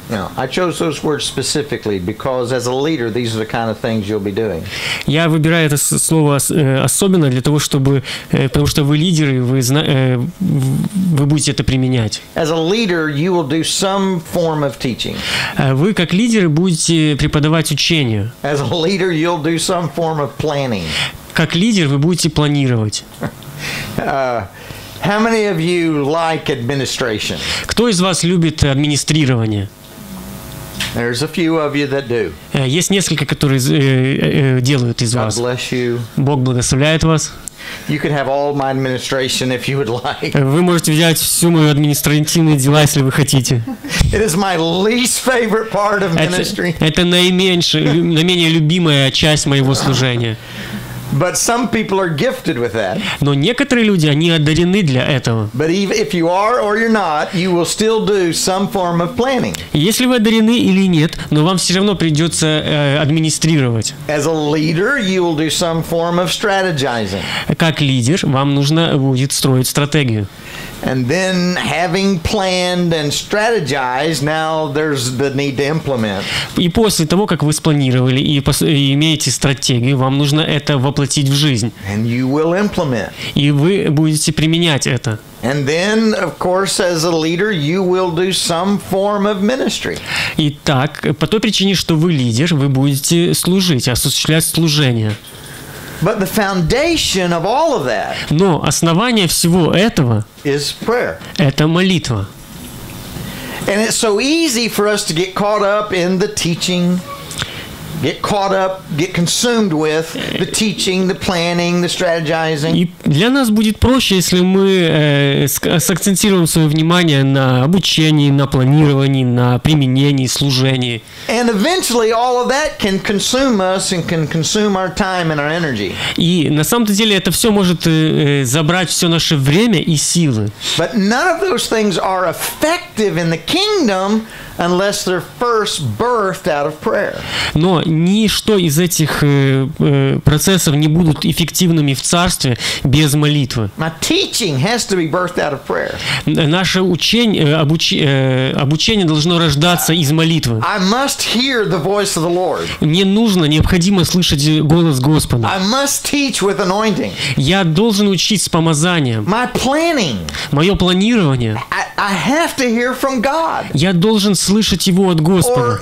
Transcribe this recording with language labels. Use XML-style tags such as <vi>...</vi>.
<en>Now, I chose those words specifically because, as a leader, these are the kind of things you'll be doing.</en> <ru>Я выбираю это слово особенно для того, чтобы, потому что вы лидеры, вы будете это применять.</ru> <en>As a leader, you will do some form of teaching.</en> <ru>Вы как лидеры будете преподавать учение.</ru> <en>As a leader, you'll do some form of planning.</en> <ru>Как лидер вы будете планировать.</ru> <en>How many of you like administration?</en> <ru>Кто из вас любит администрирование?</ru> <en>There's a few of you that do.</en> <ru>Есть несколько, которые делают из вас.</ru> <en>God bless you.</en> <ru>Бог благословляет вас.</ru> <en>You could have all my administration if you would like.</en> <ru>Вы можете взять всю мою административные дела, если вы хотите.</ru> <en>It is my least favorite part of ministry.</en> <ru>Это наименее любимая часть моего служения.</ru> <en>But some people are gifted with that.</en> <ru>Но некоторые люди, они одарены для этого.</ru> <en>But if you are or you're not, you will still do some form of planning.</en> <ru>Если вы одарены или нет, но вам все равно придется администрировать.</ru> <en>As a leader, you will do some form of strategizing.</en> <ru>Как лидер, вам нужно будет строить стратегию.</ru> <en>And then, having planned and strategized, now there's the need to implement.</en> <ru>И после того, как вы спланировали и имеете стратегию, вам нужно это воплотить в жизнь.</ru> <en>And you will implement.</en> <ru>И вы будете применять это.</ru> <en>And then, of course, as a leader, you will do some form of ministry.</en> <ru>Итак, по той причине, что вы лидер, вы будете служить, осуществлять служение.</ru> <en>But the foundation of all of that.</en> <ru>Но основание всего этого.</ru> <en>Is prayer.</en> <ru>Это молитва.</ru> <en>And it's so easy for us to get caught up in the teaching. Get caught up, get consumed with the teaching, the planning, the strategizing.</en> <ru>И для нас будет проще, если мы сакцентируем свое внимание на обучении, на планировании, на применении, служении.</ru> <en>And eventually all of that can consume us and can consume our time and our energy.</en> <ru>И на самом-то деле это все может забрать все наше время и силы.</ru> <en>But none of those things are effective in the kingdom unless they're first birthed out of prayer.</en> <ru>Но ничто из этих процессов не будут эффективными в царстве без молитвы.</ru> <en>My teaching has to be birthed out of prayer.</en> <ru>Наше обучение должно рождаться из молитвы.</ru> <en>I must hear the voice of the Lord.</en> <ru>Мне нужно, необходимо слышать голос Господа.</ru> <en>I must teach with anointing.</en> <ru>Я должен учить с помазанием.</ru> <en>My planning.</en> <ru>Мое планирование.</ru> <en>I have to hear from God.</en> <ru>Я должен слышать его от Господа.</ru>